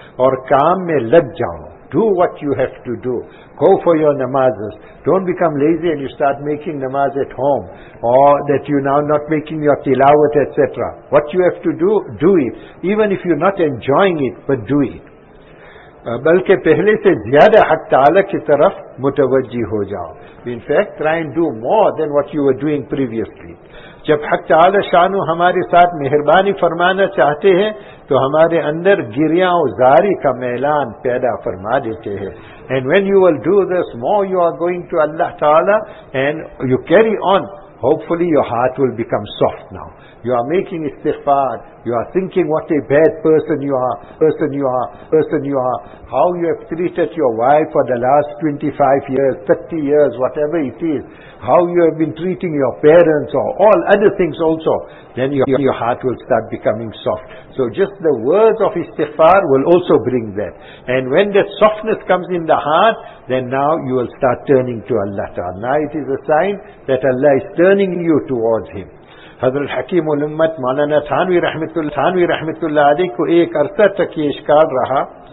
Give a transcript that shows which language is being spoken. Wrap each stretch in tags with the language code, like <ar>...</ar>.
<ur>Or kaam mein lag jao.</ur> <en>Do what you have to do. Go for your namazes. Don't become lazy and you start making namaz at home. Or that you now not making your tilawat, etc. What you have to do, do it. Even if you're not enjoying it, but do it.</en> <ur>بلکہ پہلے سے زیادہ حق تعالیٰ کی طرف متوجہ ہو جاؤ.</ur> <en>In fact, try and do more than what you were doing previously.</en> <ur>جب حق تعالیٰ شانو ہمارے ساتھ مہربانی فرمانا چاہتے ہیں تو ہمارے اندر گریاں و زاری کا میلان پیدا فرما دیتے ہیں.</ur> <en>And when you will do this, more you are going to Allah Ta'ala and you carry on, hopefully your heart will become soft now. you are making istighfar, you are thinking what a bad person you are, how you have treated your wife for the last 25 years, 30 years, whatever it is, how you have been treating your parents or all other things also, then your heart will start becoming soft. So just the words of istighfar will also bring that. And when the softness comes in the heart, then now you will start turning to Allah Ta'ala. Now it is a sign that Allah is turning you towards Him.</en> <ur>حضرت حکیم الامت مولانا تھانوی رحمت اللہ علیہ کو ایک عرصہ تک یہ اشکال رہا.</ur>